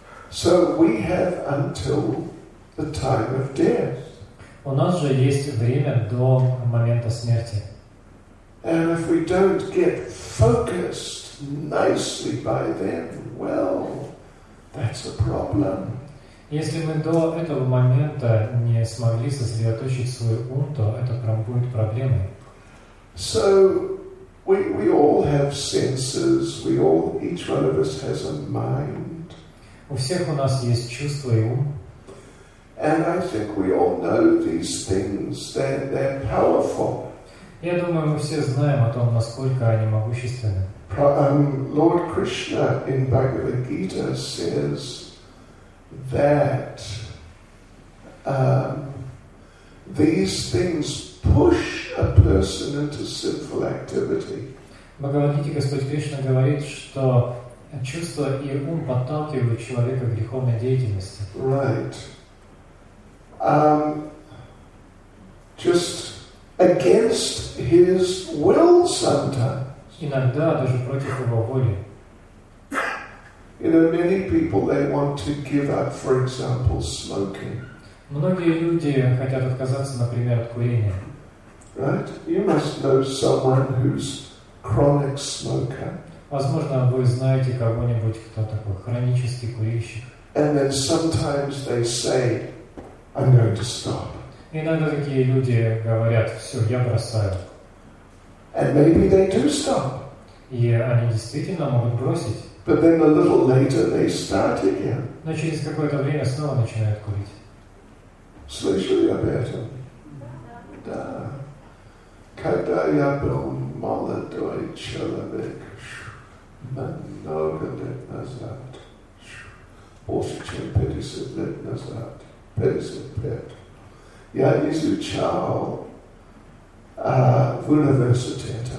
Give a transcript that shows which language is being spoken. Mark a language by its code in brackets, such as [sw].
[en] So we have until the time of death. [ru] У нас же есть время до момента смерти. [en] And if we don't get focused nicely by then, well, that's a problem. [ru] Если мы до этого момента не смогли сосредоточить свой ум, то это прям будет проблемой. [en] So we all have senses. We all, each one of us has a mind. [ru] У всех у нас есть чувства и ум. [en] And I think we all know these things. They're powerful. [ru] Я думаю, мы все знаем о том, насколько они могущественны. [en] Lord Krishna in Bhagavad Gita says that these things push a person into sinful activity. [ru] Bhagavad Gita, Господь Кришна говорит, что чувства и ум подталкивают человека к греховной деятельности. [en] Right. Just against his will sometimes. [ru] Иногда даже против его воли. [en] You know, many people, they want to give up, for example, smoking. [ru] Многие люди хотят отказаться, например, от курения. [en] Right? You must know someone who's chronic smoker. [ru] Возможно, вы знаете кого-нибудь, кто такой хронический курильщик. [en] And then sometimes they say, I'm going to stop. [ru] Иногда такие люди говорят, все, я бросаю. [en] And maybe they do stop. [ru] И они действительно могут бросить. [en] But then a little later they start again. [ru] Но через какое-то время снова начинают курить. Слышали об этом? Да. Когда я был молодой человек, много лет назад, больше чем 50 лет назад, 55, я изучал в университете.